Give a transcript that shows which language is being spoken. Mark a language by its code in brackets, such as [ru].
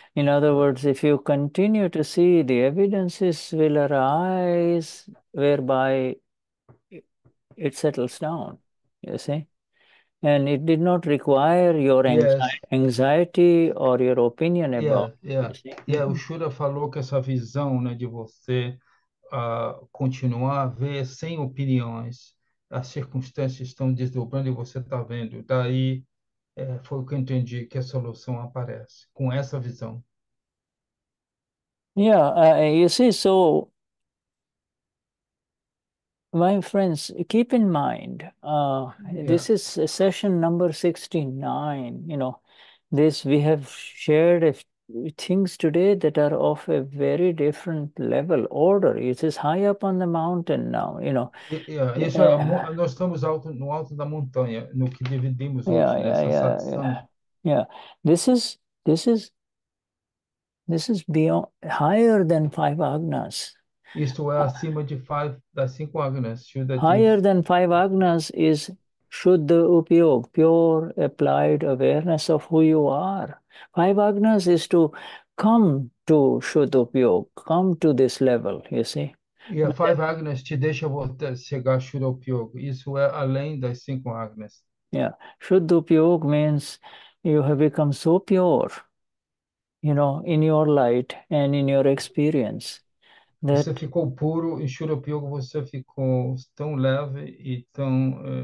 [en] In other words, if you continue to see, the evidences will arise whereby it settles down, you see. And it did not require your anxiety or your opinion about, you see. [pt] O Shura falou que essa visão, né, de você continuar a ver sem opiniões, as circunstâncias estão desdobrando e você está vendo. Daí foi o que eu entendi, que a solução aparece com essa visão. [en] You see, so, my friends, keep in mind, this is session number 69. This we have shared things today that are of a very different level, order. It is high up on the mountain now, [pt] Isso é, nós estamos alto, no alto da montanha, no que dividimos hoje, nessa satsang. [en] This is beyond, higher than five Agnas. [pt] Isto é acima de five, das cinco Agnas, Shuddha [en] Higher [pt] diz. [en] than five Agnas is Shuddha Upyog, pure applied awareness of who you are. Five Agnas is to come to Shuddha Upyog, come to this level, you see. [pt] E a five Agnas te deixa voltar, chegar a Shuddha Upyog. Isso é além das cinco Agnas. [en] Shuddha Upyog means you have become so pure. In your light and in your experience, [pt] Você [en] that [pt] ficou puro em Shuddha Upyog, você ficou tão leve e tão